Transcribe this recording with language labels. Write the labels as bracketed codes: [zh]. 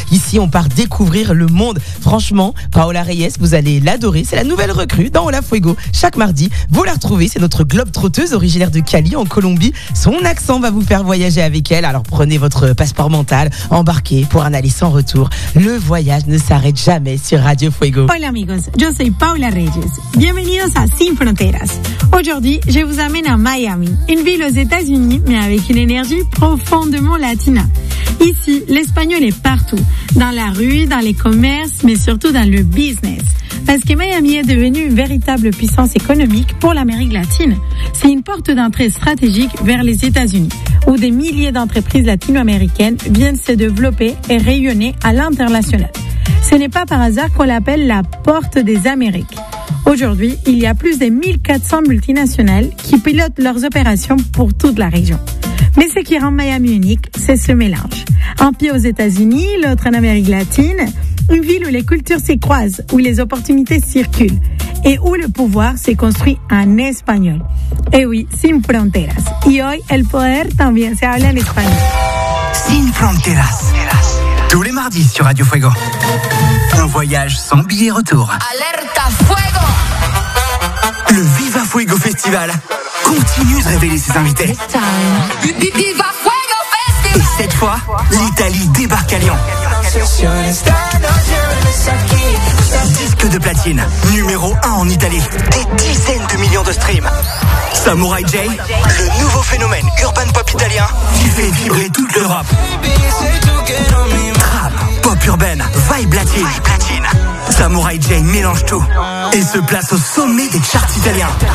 [fr] Ici, on part découvrir le monde. Franchement, Paola Reyes, vous allez l'adorer. C'est la nouvelle recrue dans Hola Fuego. Chaque mardi, vous la retrouvez. C'est notre globe-trotteuse originaire de Cali en Colombie. Son accent va vous faire voyager avec elle. Alors prenez votre passeport mental, embarquez pour un aller sans retour. Le voyage ne s'arrête jamais sur Radio Fuego. [es] Hola amigos, yo soy Paola Reyes. Bienvenidos a Sin Fronteras. [fr] Aujourd'hui, je vous amène à Miami, une ville aux États-Unis, mais avec une énergie profondément latina. Ici, l'espagnol est partout, dans la rue, dans les commerces, mais surtout dans le business. Parce que Miami est devenue une véritable puissance économique pour l'Amérique latine. C'est une porte d'entrée stratégique vers les États-Unis, où des milliers d'entreprises latino-américaines viennent se développer et rayonner à l'international. Ce n'est pas par hasard qu'on l'appelle la porte des Amériques. Aujourd'hui, il y a plus de 1400 multinationales qui pilotent leurs opérations pour toute la région. Mais ce qui rend Miami unique, c'est ce mélange. Un pied aux États-Unis, l'autre en Amérique latine. Une ville où les cultures s'y croisent, où les opportunités circulent et où le pouvoir s'est construit en espagnol. Et oui, [es] sin fronteras. Y hoy, el poder también se habla en español. [fr] Sin fronteras. Tous les mardis sur Radio Fuego. Un voyage sans billet retour. [es] Alerta Fuego. [fr] Le Viva Fuego Festival continue de révéler ses invités. Viva Fuego Festival. Et cette fois, l'Italie débarque à Lyon. [en] Sure, it's done, I'm here in the second. [fr] Disque de platine, numéro 1 en Italie. Des dizaines de millions de streams. Samurai J, le nouveau phénomène urban pop italien qui fait vibrer toute l'Europe. Rap, pop urbaine, vibe latine. Vibe latine. Samurai J mélange tout et se place au sommet des charts italiens.